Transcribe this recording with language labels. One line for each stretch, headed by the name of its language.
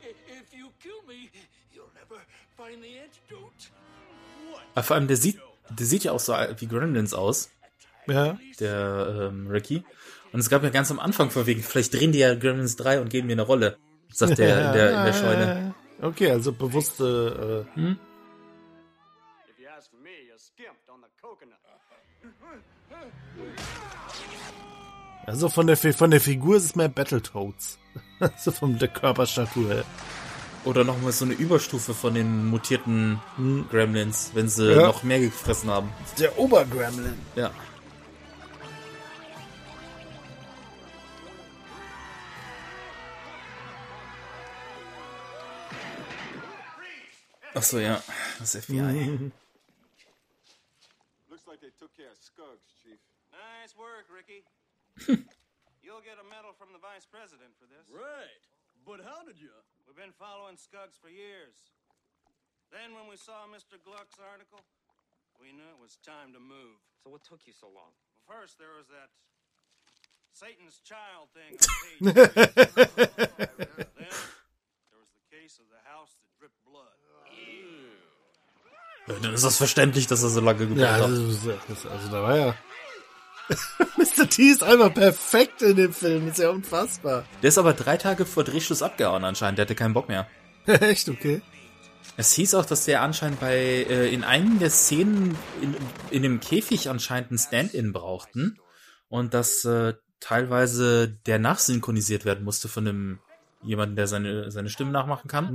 English: If you kill me, you'll never find the antidote. What?
German: Vor allem, der sieht ja auch so wie Gremlins aus. Ja. Der Ricky. Und es gab ja ganz am Anfang von wegen, vielleicht drehen die ja Gremlins 3 und geben mir eine Rolle. Sagt der in der Scheune. Okay, also bewusste.
English: If you ask me, you skimped on the coconut.
German: Also von der Figur ist es mehr Battletoads. Also von der Körperstatur. Oder nochmal so eine Überstufe von den mutierten Gremlins, wenn sie ja noch mehr gefressen haben. Der Obergremlin. Ja. Achso, ja. Das FBI.
English: Looks like they took care of Skugs, Chief. Nice work, Ricky. You'll get a medal from the Vice President for this. Right. But how did you? We've been following Skugs for years. Then when we saw Mr. Gluck's article, we knew it was time to move. So what took you so long? Well, first, there was that Satan's child thing on page. Then there was the case of the house that dripped blood. Ew.
German: Dann ist das verständlich, dass er so lange gebraucht hat. Also da war ja. Mr. T ist einfach perfekt in dem Film, ist ja unfassbar. Der ist aber 3 Tage vor Drehschluss abgehauen anscheinend, der hatte keinen Bock mehr. Echt, okay. Es hieß auch, dass der anscheinend in einem der Szenen in dem Käfig anscheinend ein Stand-in brauchten und dass teilweise der nachsynchronisiert werden musste von jemanden, der seine Stimme nachmachen kann.